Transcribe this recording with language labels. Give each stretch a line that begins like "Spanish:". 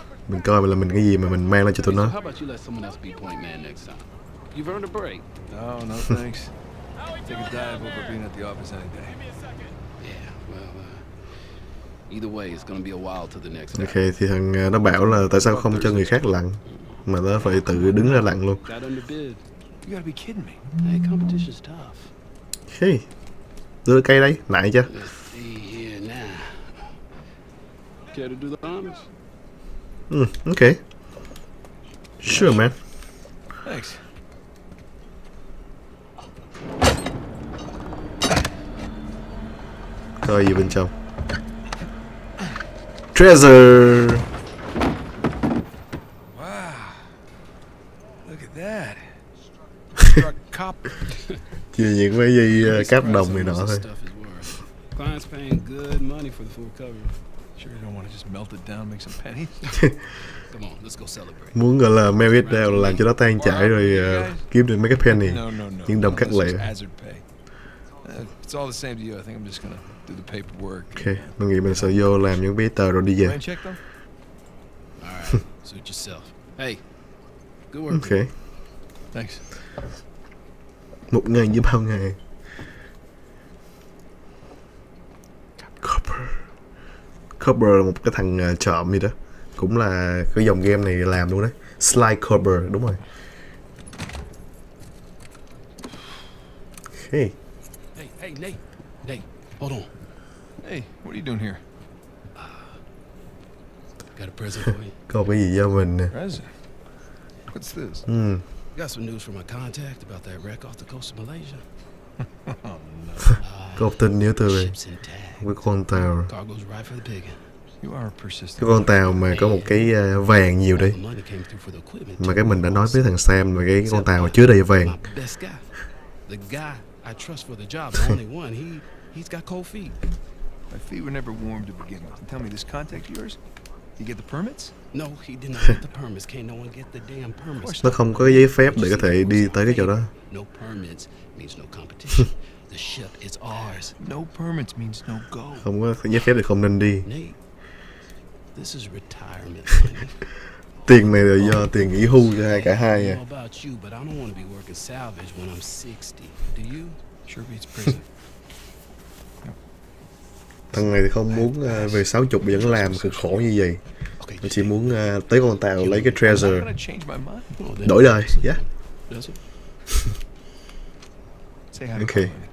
Vietnamese: Mình coi là mình cái gì mà mình mang lên cho tụi nó.
English: How about you let someone else be point man next time? You've earned a break. Oh, no thanks. Take a dive over being at the office any day. Yeah, well, either way, it's gonna be a while till the next.
Vietnamese: Okay, thì thằng nó bảo là tại sao không cho người khác lặn, mà nó phải tự đứng ra lặn luôn.
English: You gotta be kidding me. Hey, competition's tough.
Vietnamese: Hey, đưa cây đây, nãy chưa?
English: Care to do the honors? Okay. Sure, man. Thanks.
Vietnamese: Coi gì bên trong.
English: Treasure. Wow. Look at that. Cop.
Vietnamese: Chỉ những cái gì cáp đồng này nọ thôi.
English: Clients paying good money for the full cover. Sure you don't want to just melt it down, make some pennies. Come on, let's go celebrate.
Vietnamese: Muốn gọi là
English: melt it down,
Vietnamese: làm cho nó tan chảy rồi kiếm được mấy cái penny. Những đồng cắt lẻ.
English: It's all the same to you. I think I'm just gonna do the paperwork.
Vietnamese: Okay, mình nghĩ mình sẽ vô làm những giấy tờ rồi đi về.
English: Check them. All right. Suit yourself. Hey. Good work. Okay. Thanks.
Vietnamese: Một ngày như bao ngày.
English: Copper.
Vietnamese: Copper là một cái thằng trộm gì đó. Cũng là cái dòng game này làm luôn đấy. Sly Copper, đúng rồi. Okay.
English: Nate, hold on. Hey, what are you doing here? Got a present for you.
Vietnamese: Có cái gì cho mình nè.
English: Present? What's this? Got some news from a contact about that wreck off the coast of Malaysia.
Vietnamese: Có tin nhớ từ về cái con tàu.
English: Cargo's right for the picking. You are persistent.
Vietnamese: Cái con tàu mà có một cái vàng nhiều đấy. Mà cái mình đã nói với thằng Sam là cái con tàu chứa đầy vàng.
English: The guy I trust for the job, the only one. He's got cold feet. My feet were never warm to begin with. And tell me, this contact yours? Did you get the permits? No, he didn't get the permits. Can't no one get the damn permits.
Vietnamese: Nó không có giấy phép để có thể đi tới cái chỗ đó.
English: No permits means no competition. The ship is ours. No permits means no go.
Vietnamese: Không có giấy phép thì không nên đi.
English: This is retirement.
Vietnamese: Tiền này là do tiền nghỉ hưu cho hai cả hai nha.
English: About you, but I don't want to be working salvage when I'm 60. Do you? Sure beats prison.
Vietnamese: Thằng này thì không muốn về 60 vẫn làm cực khổ như vậy. Nó chỉ muốn tới con tàu lấy cái treasure. Đổi đời, yeah. Ok.